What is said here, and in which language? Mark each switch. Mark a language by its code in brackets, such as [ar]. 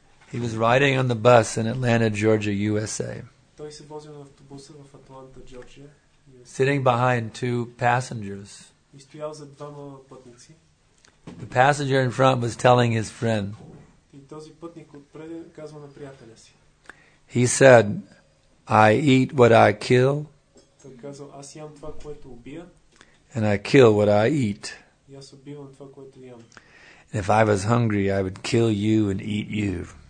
[en] He was riding on the bus in Atlanta, Georgia, USA. [bg] Той се возил на автобуса в Атланта, Джорджия. [en] Sitting behind two passengers. [bg] И стоял зад двама пътници. [en] The passenger in front was telling his friend. [bg] И този пътник отпред казва на приятеля си. [en] He said, I eat what I kill. [bg] Той казал, аз ям това, което убия. [en] And I kill what I eat. [bg] И аз убивам това, което ям. [en] And if I was hungry, I would kill you and eat you.